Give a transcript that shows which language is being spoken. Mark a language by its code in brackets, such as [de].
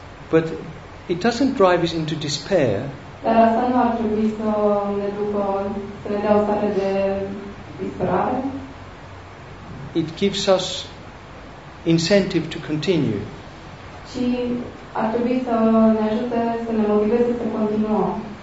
[en] But it doesn't drive us into despair. [ro] Dar asta nu ar trebui să ne ducă, să ne dea o stare de disperare. [en] It gives us incentive to continue. [ro] Și ar trebui să ne ajute să ne motiveze să continuăm.